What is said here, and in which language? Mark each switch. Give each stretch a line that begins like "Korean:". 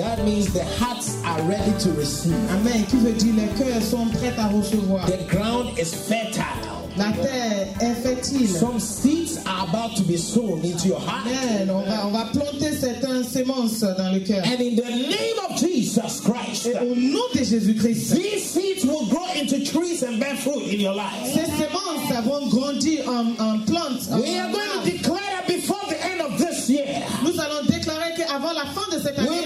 English: That means the hearts are ready to receive. Amen.
French: Qui veut dire les cœurs sont prêts à recevoir.
English: The ground is fertile.
French: La terre est fertile.
English: Some seeds are about to be sown into your heart. Amen.
French: On va planter certaines semences dans le cœur.
English: And in the name of Jesus Christ,
French: et au nom de Jésus Christ,
English: these seeds will grow into trees and bear fruit in your life.
French: Ces semences vont grandir en plantes.
English: We are going to declare that before the end of this year.
French: Nous allons déclarer que avant la fin de cette année,